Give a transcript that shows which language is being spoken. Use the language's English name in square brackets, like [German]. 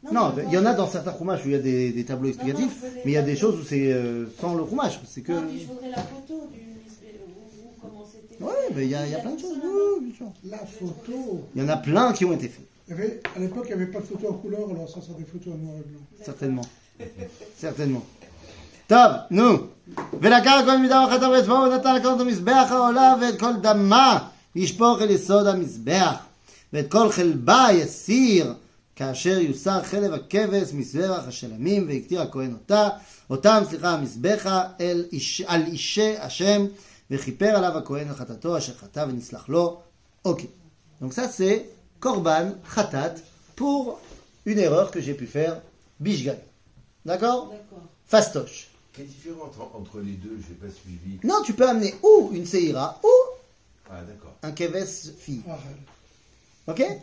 [French] Non, il y en a dans certains chumash où il y a des tableaux explicatifs, mais il y a des choses où c'est sans le chumash. Non, puis je voudrais la photo du comment c'était. Oui, mais il y a plein de choses. La photo. Il y en a plein qui ont été faits. À l'époque, il n'y avait pas de photos en couleur, alors ça sera des photos en noir et blanc. Certainement. Certainement. [Hebrew] טוב, נו. ולקח הכהן מדם אחת הרבה אצבעו ונתן לקחת את המזבח העולה ואת כל דמה ישפוך אל יסוד המזבח ואת כל חלבה יסיר כאשר יוסר חלב הכבש מזבח השלמים והקטיר הכהן אותה אותם סליחה המזבחה אל איש, על אישי השם וכיפר עליו הכהן החטאתו אשר חטא ונסלח לו. אוקיי. [French] Donc ça c'est Corban Khatat pour une erreur que j'ai pu faire Bishgan. D'accord? Fastoche. Quelle différence entre les deux, je n'ai pas suivi. Non, tu peux amener ou une Seira ou un Keves Fi. Ok?